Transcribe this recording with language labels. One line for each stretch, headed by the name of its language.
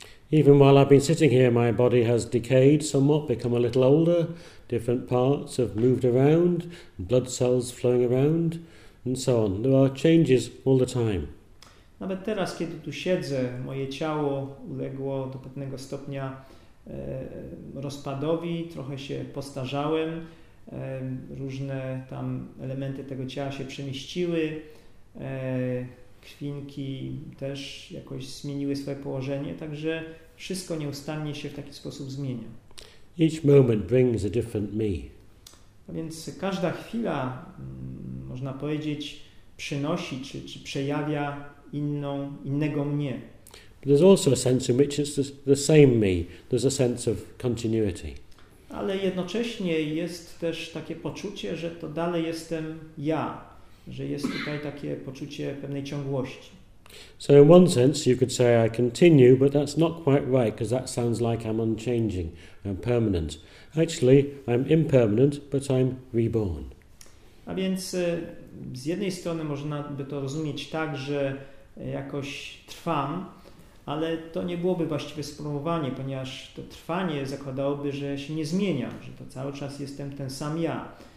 English: Even while I've been sitting here, my body has decayed somewhat, become a little older, different parts have moved around, blood cells flowing around, and so on. There are changes all the time.
Polish: Nawet teraz, kiedy tu siedzę, moje ciało uległo do pewnego stopnia rozpadowi, trochę się postarzałem, różne tam elementy tego ciała się przemieściły, krwinki też jakoś zmieniły swoje położenie, także wszystko nieustannie się w taki sposób zmienia.
English: Each moment brings a different me.
Polish: A więc każda chwila, można powiedzieć, przynosi czy przejawia innego mnie.
English: But there's also a sense in which it's the same me. There's a sense of continuity.
Polish: Ale jednocześnie jest też takie poczucie, że to dalej jestem ja. Że jest tutaj takie poczucie pewnej ciągłości.
English: So in one sense you could say I continue, but that's not quite right because that sounds like I'm unchanging, I'm permanent. Actually, I'm impermanent, but I'm reborn.
Polish: A więc z jednej strony można by to rozumieć tak, że jakoś trwam, ale to nie byłoby właściwe sformułowanie, ponieważ to trwanie zakładałoby, że się nie zmieniam, że to cały czas jestem ten sam ja.